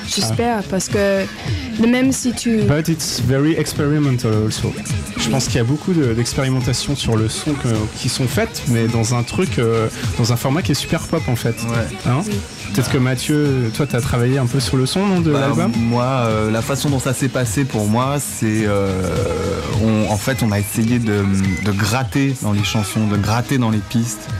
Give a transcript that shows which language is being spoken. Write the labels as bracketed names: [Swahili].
[French] J'espère, parce que même si tu... [English] But it's very experimental also. [French] Je pense qu'il y a beaucoup d'expérimentations sur le son qui sont faites, mais dans un truc, dans un format qui est super pop en fait. Ouais. Hein? Peut-être que Mathieu, toi t'as travaillé un peu sur le son, non, de l'album? Moi, la façon dont ça s'est passé pour moi, c'est... on a essayé de gratter dans les chansons, de gratter dans les pistes.